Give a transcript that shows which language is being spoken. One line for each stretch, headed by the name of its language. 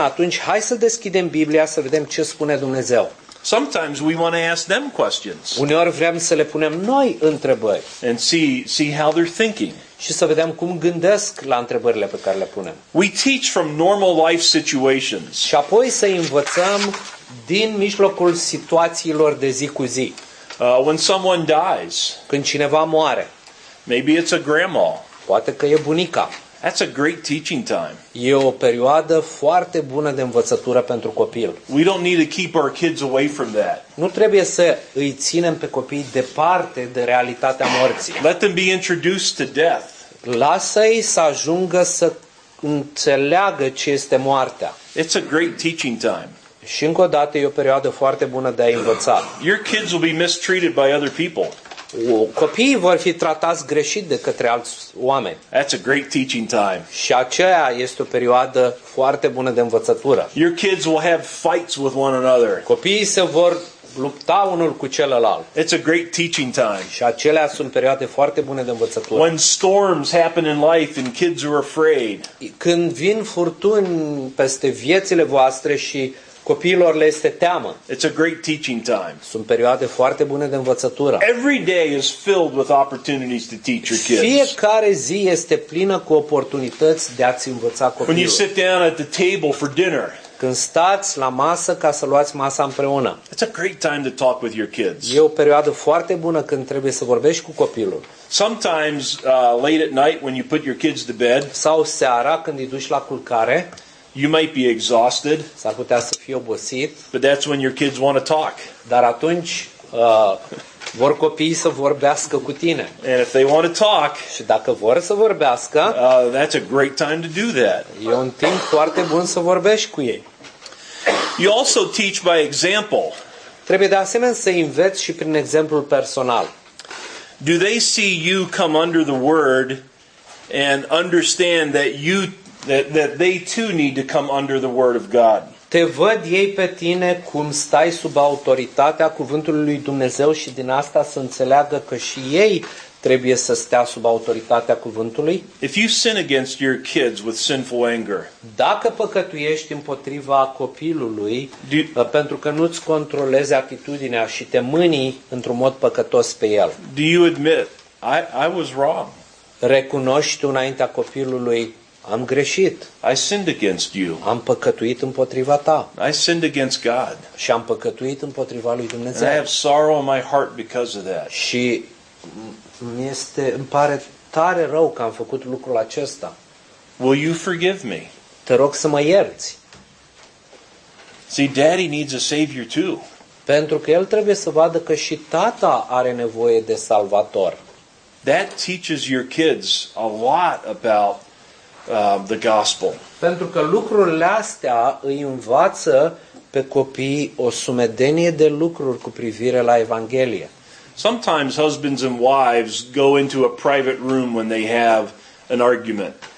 Romanian: Atunci, hai să deschidem Biblia să vedem ce spune Dumnezeu.
English: Sometimes we want to ask them questions.
Romanian: Uneori vrem să le punem noi întrebări.
English: And see how they're thinking.
Romanian: Și să vedem cum gândesc la întrebările pe care le punem.
English: We teach from normal life situations.
Romanian: Și apoi să învățăm din mijlocul situațiilor de zi cu zi.
English: When someone dies.
Romanian: Când cineva moare.
English: Maybe it's a grandma.
Romanian: Poate că e bunica.
English: That's a great teaching time.
Romanian: E o perioadă foarte bună de învățătură pentru copil.
English: We don't need to keep our kids away from that.
Romanian: Nu trebuie să îi ținem pe copii departe de realitatea morții.
English: Let them be introduced to death.
Romanian: Lasă-i să ajungă să înțeleagă ce este moartea.
English: It's a great teaching time.
Romanian: Și încă o dată e o perioadă foarte bună de a învăța.
English: Your kids will be mistreated by other people.
Romanian: Copiii vor fi tratați greșit de către alți oameni.
English: That's a great teaching time.
Romanian: Și aceea este o perioadă foarte bună de învățătură.
English: Your kids will have fights with one another.
Romanian: Copiii se vor lupta unul cu celălalt.
English: It's a great teaching time.
Romanian: Și acelea sunt perioade foarte bune de învățătură.
English: When storms happen in life and kids are afraid.
Romanian: Când vin furtuni peste viețile voastre și copiilor le este teamă.
English: It's a great teaching time.
Romanian: Sunt perioade foarte bune de învățătură.
English: Every day is filled with opportunities to teach your kids.
Romanian: Fiecare zi este plină cu oportunități de a-ți învăța copiii.
English: When you sit down at the table for dinner.
Romanian: Când stați la masă ca să luați masa împreună.
English: It's a great time to talk with your kids.
Romanian: E o perioadă foarte bună când trebuie să vorbești cu copilul.
English: Sometimes late at night when you put your kids to bed.
Romanian: Sau seara când îi duci la culcare.
English: You might be exhausted.
Romanian: S-ar putea să fii obosit.
English: But that's when your kids want to talk.
Romanian: Dar atunci vor copiii să vorbească cu tine.
English: And if they want to talk,
Romanian: și dacă vor să vorbească,
English: that's a great time to do that.
Romanian: E un timp foarte bun să vorbești cu ei.
English: You also teach by example.
Romanian: Trebuie de asemenea să înveți și prin exemplul personal.
English: Do they see you come under the word and understand that you that they too need to come under the word of God.
Romanian: Te văd ei pe tine cum stai sub autoritatea cuvântului lui Dumnezeu și din asta să înțeleagă că și ei trebuie să stea sub autoritatea cuvântului.
English: If you sin against your kids with sinful anger.
Romanian: Dacă păcătuiești împotriva copilului pentru că nu-ți controlezi atitudinea și te mâni într-un mod păcătos pe el.
English: Do you admit I was wrong?
Romanian: Recunoști înaintea copilului am greșit.
English: I sinned against you.
Romanian: Am păcătuit împotriva ta.
English: I sinned against God.
Romanian: Și am păcătuit împotriva lui Dumnezeu.
English: And I have sorrow in my heart because of that.
Romanian: Și îmi pare tare rău că am făcut lucrul acesta.
English: Will you forgive me?
Romanian: Te rog să mă ierți.
English: See, Daddy needs a savior too.
Romanian: Pentru că el trebuie să vadă că și tata are nevoie de salvator.
English: That teaches your kids a lot about the gospel.
Romanian: Pentru că lucrurile astea îi învață pe copii o sumedenie de lucruri cu privire la Evanghelie.
English: Sometimes husbands and wives go into a private room when they have an argument.